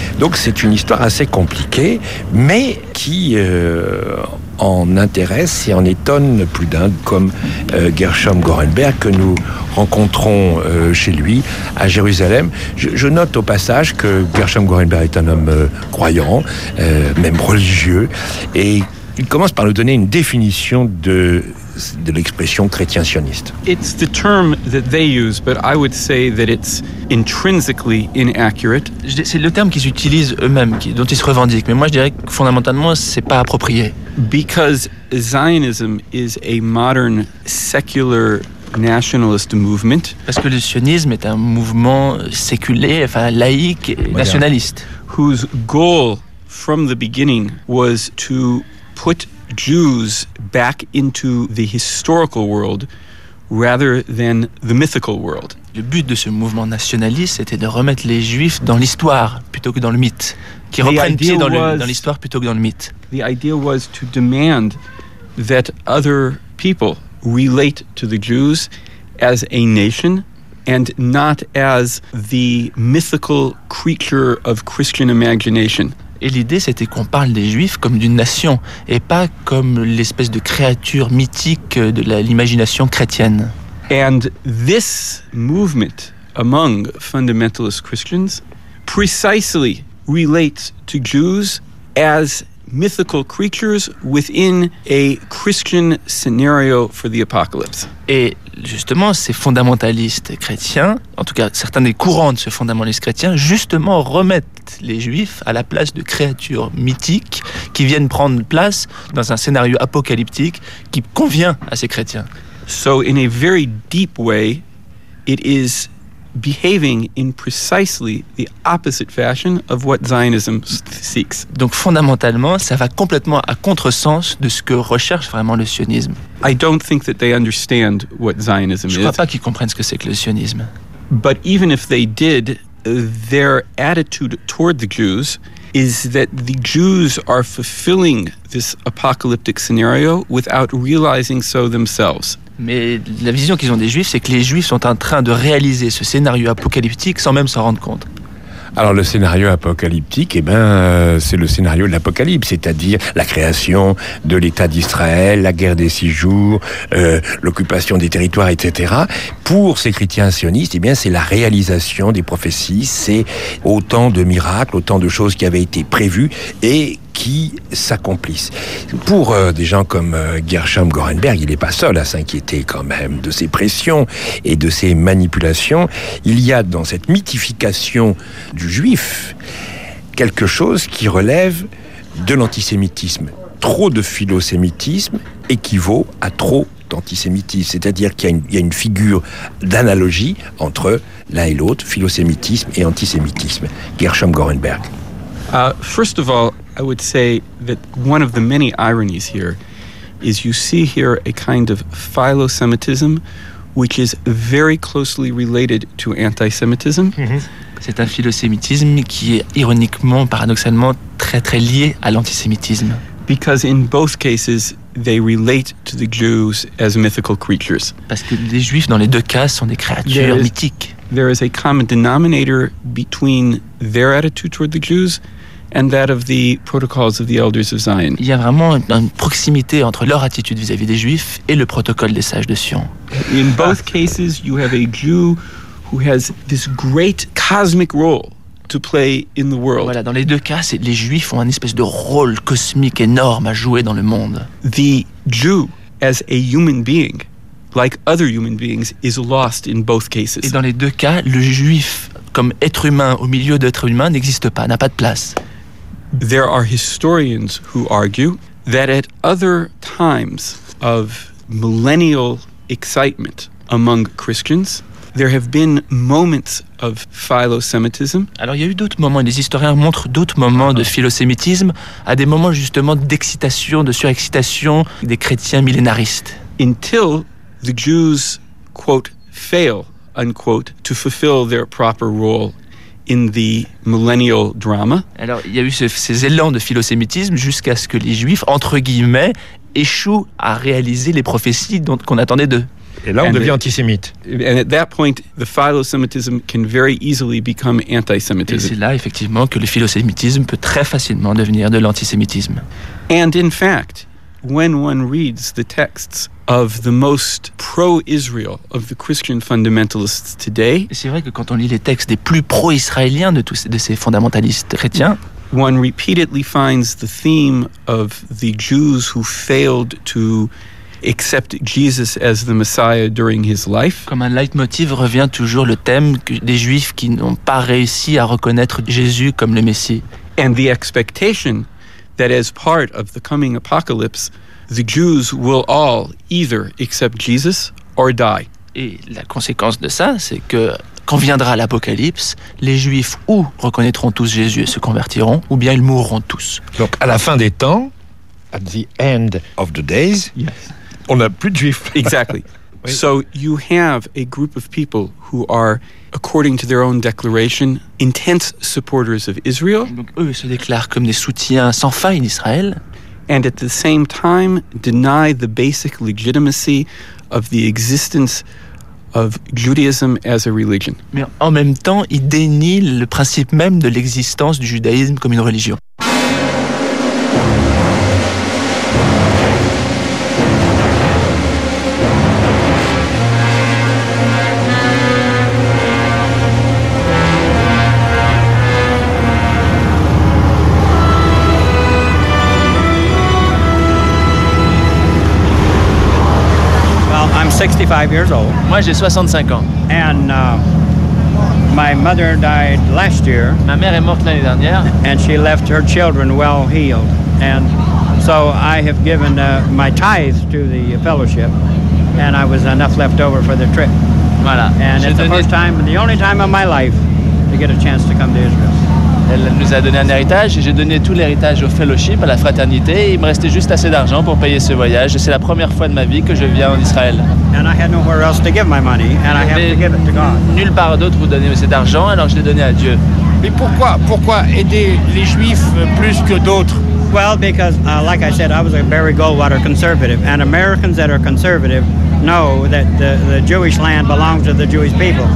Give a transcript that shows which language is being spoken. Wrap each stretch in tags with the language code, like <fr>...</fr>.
<fr>Donc c'est une histoire assez compliquée, mais qui en intéresse et en étonne plus d'un, comme Gershom Gorenberg, que nous rencontrons chez lui à Jérusalem. Je note au passage que Gershom Gorenberg est un homme croyant, même religieux, et il commence par nous donner une définition de l'expression chrétien sioniste.</fr> <en>It's the term that they use, but I would say that it's intrinsically inaccurate.</en> <fr>C'est le terme qu'ils utilisent eux-mêmes, dont ils se revendiquent. Mais moi, je dirais que fondamentalement, c'est pas approprié.</fr> <en>Because Zionism is a modern secular nationalist movement.</en> <fr>Parce que le sionisme est un mouvement séculier, enfin laïque, nationaliste.</fr> <en>Whose goal from the beginning was to put Jews back into the historical world rather than the mythical world.</en> <fr>Le but de ce mouvement nationaliste était de remettre les Juifs dans l'histoire plutôt que dans le mythe, qui reprennent pied dans l'histoire plutôt que dans le mythe.</fr> <en>The idea was to demand that other people relate to the Jews as a nation and not as the mythical creature of Christian imagination.</en> <fr>Et l'idée, c'était qu'on parle des Juifs comme d'une nation, et pas comme l'espèce de créature mythique de l'imagination chrétienne.</fr> <en>And this movement among fundamentalist Christians precisely relates to Jews as mythical creatures within a Christian scenario for the apocalypse.</en> <fr>Et justement, ces fondamentalistes chrétiens, en tout cas certains des courants de ce fondamentalisme chrétien, justement remettent les Juifs à la place de créatures mythiques qui viennent prendre place dans un scénario apocalyptique qui convient à ces chrétiens.</fr> <en>So in a very deep way, it is behaving in precisely the opposite fashion of what Zionism seeks.</en> <fr>Donc fondamentalement, ça va complètement à contresens de ce que recherche vraiment le sionisme.</fr> <en>I don't think that they understand what Zionism is.</en> <fr>Je crois pas qu'ils comprennent ce que c'est que le sionisme.</fr> <en>But even if they did, their attitude toward the Jews is that the Jews are fulfilling this apocalyptic scenario without realizing so themselves.</en> <fr>Mais la vision qu'ils ont des Juifs, c'est que les Juifs sont en train de réaliser ce scénario apocalyptique sans même s'en rendre compte. Alors le scénario apocalyptique, eh ben, c'est le scénario de l'Apocalypse, c'est-à-dire la création de l'État d'Israël, la guerre des six jours, l'occupation des territoires, etc. Pour ces chrétiens sionistes, eh bien, c'est la réalisation des prophéties, c'est autant de miracles, autant de choses qui avaient été prévues et qui s'accomplissent. Pour des gens comme Gershom Gorenberg, il n'est pas seul à s'inquiéter quand même de ces pressions et de ces manipulations. Il y a dans cette mythification du juif quelque chose qui relève de l'antisémitisme. Trop de philosémitisme équivaut à trop d'antisémitisme. C'est-à-dire qu'il y a une figure d'analogie entre l'un et l'autre, philosémitisme et antisémitisme. Gershom Gorenberg.</fr> <en>First of all, I would say that one of the many ironies here is you see here a kind of philo-Semitism which is very closely related to anti-Semitism. Mm-hmm.</en> <fr>C'est un philo-Sémitisme qui est ironiquement, paradoxalement, très très lié à l'antisémitisme.</fr> <en>Because in both cases, they relate to the Jews as mythical creatures.</en> <fr>Parce que les Juifs, dans les deux cas, sont des créatures mythiques.</fr> <en>There is a common denominator between their attitude toward the Jews and that of the protocols of the elders of Zion.</en> <fr>Il y a vraiment une proximité entre leur attitude vis-à-vis des Juifs et le protocole des sages de Sion.</fr> <en>In both cases, you have a Jew who has this great cosmic role to play in the world.</en> <fr>Voilà, dans les deux cas, les Juifs ont une espèce de rôle cosmique énorme à jouer dans le monde.</fr> <en>The Jew as a human being, like other human beings, is lost in both cases.</en> <fr>Et dans les deux cas, le Juif comme être humain au milieu d'être humain n'existe pas, n'a pas de place.</fr> <en>There are historians who argue that at other times of millennial excitement among Christians, there have been moments of philo-Semitism.</en> <fr>Alors il y a eu d'autres moments, et les historiens montrent d'autres moments de philo-Sémitisme à des moments justement d'excitation, de surexcitation des chrétiens millénaristes.</fr> <en>Until the Jews, quote, fail, unquote, to fulfill their proper role in the millennial drama.</en> <fr>Alors, il y a eu ces élans de philo-sémitisme jusqu'à ce que les Juifs, entre guillemets, échouent à réaliser les prophéties qu'on attendait d'eux. Et là, on devient antisémite.</fr> <en>And at that point, the philo-Semitism can very easily become anti-Semitism.</en> <fr>Et c'est là, effectivement, que le philo-sémitisme peut très facilement devenir de l'antisémitisme.</fr> <en>And in fact, when one reads the texts of the most pro-Israel of the Christian fundamentalists today,</en> <fr>c'est vrai que quand on lit les textes des plus pro-israéliens de tous de ces fondamentalistes chrétiens,</fr> <en>one repeatedly finds the theme of the Jews who failed to accept Jesus as the Messiah during his life.</en> <fr>Comme un leitmotiv revient toujours le thème des Juifs qui n'ont pas réussi à reconnaître Jésus comme le Messie.</fr> <en>And the expectation that as part of the coming apocalypse, the Jews will all either accept Jesus or die.</en> <fr>Et la conséquence de ça, c'est que quand viendra l'Apocalypse, les Juifs ou reconnaîtront tous Jésus et se convertiront, ou bien ils mourront tous. Donc à la fin des temps,</fr> <en>at the end of the days, yes,</en> <fr>on n'a plus de Juifs.</fr> <en>Exactly. So you have a group of people who are, according to their own declaration, intense supporters of Israel.</en> <fr>Donc eux se déclarent comme des soutiens sans faille d'Israël.</fr> <en>And at the same time, deny the basic legitimacy of the existence of Judaism as a religion.</en> <fr>Mais en même temps, il dénie le principe même de l'existence du judaïsme comme une religion. Moi, j'ai 65 ans.</fr> <en>And my mother died last year.</en> <fr>Ma mère est morte l'année dernière.</fr> <en>And she left her children well healed. And so I have given my tithe to the fellowship. And I was enough left over for the trip.</en> <fr>Voilà.</fr> <en>And</en> <fr>j'ai</fr> <en>it's</en> <fr>donné...</fr> <en>the first time, the only time of my life to get a chance to come to Israel.</en> <fr>Elle nous a donné un héritage et j'ai donné tout l'héritage au fellowship, à la fraternité. Et il me restait juste assez d'argent pour payer ce voyage. Et c'est la première fois de ma vie que je viens en Israël.</fr> <en>And I had nowhere else to give my money, and I have to give it to God.</en> <fr>Nulle part d'autre où donner cet argent, alors je l'ai donné à Dieu. Mais pourquoi aider les Juifs plus que d'autres?</fr> <en>Well, because, like I said, I was a Barry Goldwater conservative, and Americans that are conservative know that the Jewish land belongs to the Jewish people.</en>